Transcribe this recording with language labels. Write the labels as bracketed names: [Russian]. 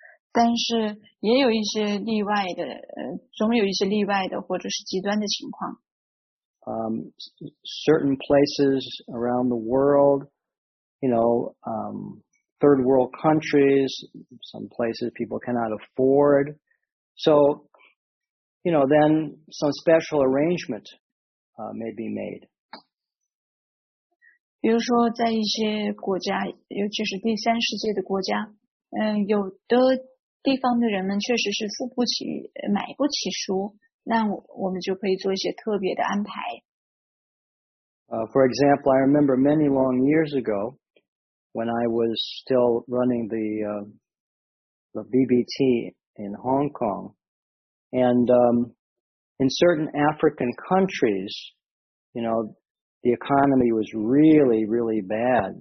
[Chinese] 但是也有一些例外的，总有一些例外的或者是极端的情况。 [English] Certain places around the world, third world countries, some places people cannot afford. So, then some special arrangement, may be made. [Chinese] 比如说在一些国家，尤其是第三世界的国家，有的地方的人们确实是付不起，买不起书，那我们就可以做一些特别的安排。 [English] For example, I remember many long years ago, when I was still running the BBT in Hong Kong, and in certain African countries, the economy was really, really bad.